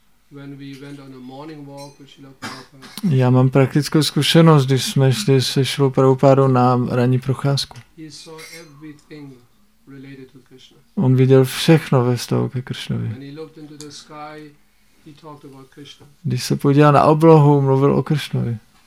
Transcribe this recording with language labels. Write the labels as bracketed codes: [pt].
[en] When we went on a morning walk with Srila [cs] Prabhupada. Já mám praktickou zkušenost, když jsme šli se Srilou Prabhupádou na ranní procházku. [en] He saw everything related to Krishna. [cs] On viděl všechno ve vztahu ke Kršnovi. [en] When he looked into the sky, he talked about Krishna. [cs] Když se podíval na oblohu, mluvil o Kršnovi.